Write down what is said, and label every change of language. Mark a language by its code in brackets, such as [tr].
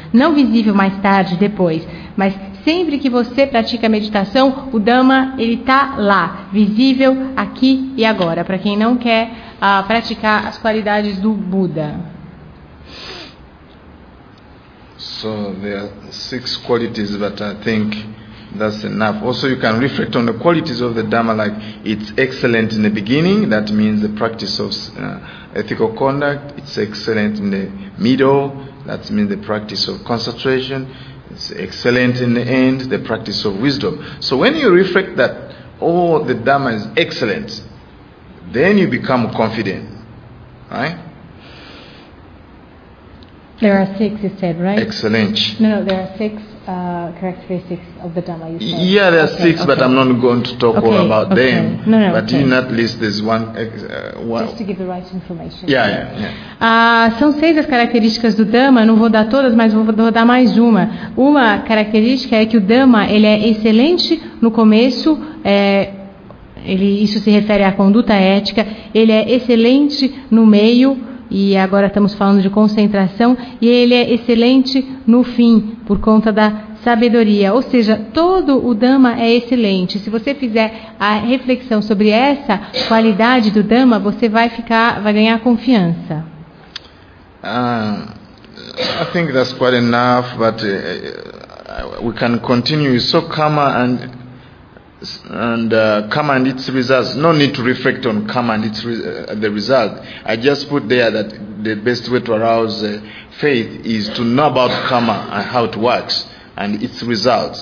[pt] Não visível mais tarde, depois. Mas sempre que você pratica meditação, o Dhamma está lá, visível, aqui e agora. Para quem não quer praticar as qualidades do Buda. [en] So there are 6 qualities, but I think that's enough. Also, you can reflect on the qualities of the Dhamma, like it's excellent in the beginning. That means the practice of ethical conduct. It's excellent in the middle. That means the practice of concentration. It's excellent in the end, the practice of wisdom. So when you reflect that all the Dhamma is excellent, then you become confident, right? There are 6, you said, right? Excellent. No, there are 6. characteristics of the Dhamma you said? Yeah, there are six, but I'm not going to talk all about them. No, at least there's one. Just to give the right information. Yeah. [pt] São seis as características do Dhamma, não vou dar todas, mas vou dar mais uma. Uma característica é que o Dhamma, ele é excelente no começo, isso se refere à conduta ética, ele é excelente no meio, e agora estamos falando de concentração, e ele é excelente no fim, por conta da sabedoria. Ou seja, todo o Dhamma é excelente. Se você fizer a reflexão sobre essa qualidade do Dhamma, você vai ganhar confiança. [en] I think that's quite enough, but we can continue. It's so karma and karma and its results. No need to reflect on karma and its the result. I just put there that the best way to arouse faith is to know about karma and how it works and its results.